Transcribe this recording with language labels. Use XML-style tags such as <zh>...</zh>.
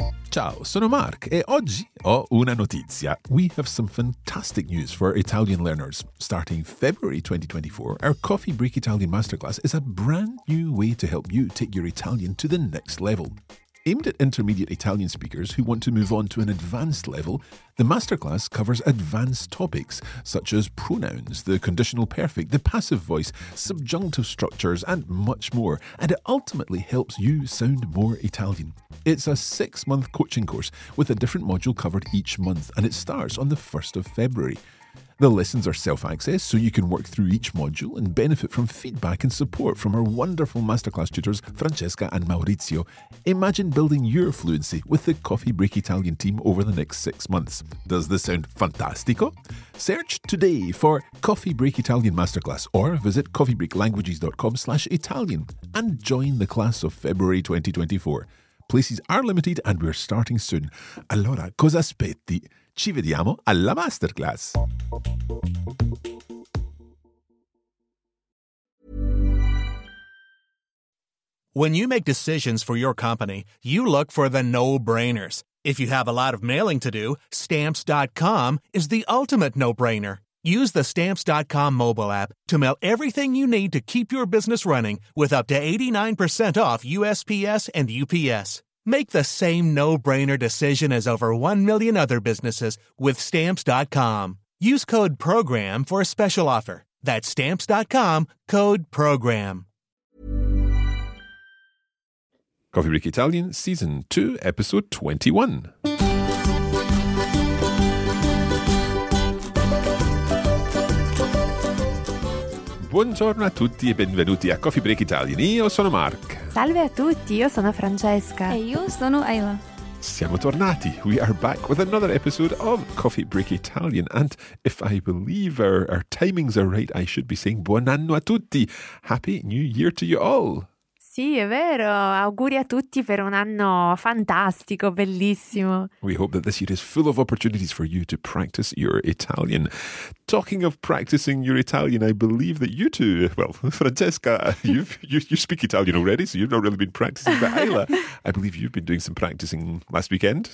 <it>Ciao, sono Mark e oggi ho una notizia.</it> <en>We have some fantastic news for Italian learners. Starting February 2024, our Coffee Break Italian Masterclass is a brand new way to help you take your Italian to the next level. Aimed at intermediate Italian speakers who want to move on to an advanced level, the masterclass covers advanced topics such as pronouns, the conditional perfect, the passive voice, subjunctive structures, and much more, and it ultimately helps you sound more Italian. It's a six-month coaching course with a different module covered each month, and it starts on the 1st of February. The lessons are self-access, so you can work through each module and benefit from feedback and support from our wonderful masterclass tutors, Francesca and Maurizio. Imagine building your fluency with the Coffee Break Italian team over the next 6 months. Does this sound fantastico? Search today for Coffee Break Italian Masterclass or visit coffeebreaklanguages.com/Italian and join the class of February 2024. Places are limited and we're starting soon.</en> <it>Allora, cosa aspetti? Ci vediamo alla masterclass.</it> <en>When you make decisions for your company, you look for the no-brainers. If you have a lot of mailing to do, Stamps.com is the ultimate no-brainer. Use the Stamps.com mobile app to mail everything you need to keep your business running with up to 89% off USPS and UPS. Make the same no-brainer decision as over 1 million other businesses with Stamps.com. Use code PROGRAM for a special offer. That's Stamps.com, code PROGRAM. Coffee Break Italian, Season 2, Episode 21.</en> <it>Buongiorno a tutti e benvenuti a Coffee Break Italian. Io sono Mark. Salve a tutti, io sono Francesca. E io sono Ayla. Siamo tornati.</it> <en>We are back with another episode of Coffee Break Italian. And if I believe our timings are right, I should be saying</en> <it>buon anno a tutti.</it> <en>Happy New Year to you all.</en> <it>Sì, è vero. Auguri a tutti per un anno fantastico, bellissimo.</it> <en>We hope that this year is full of opportunities for you to practice your Italian. Talking of practicing your Italian, I believe that you two, well, Francesca, you speak Italian already, so you've not really been practicing, but Ayla, I believe you've been doing some practicing last weekend.</en>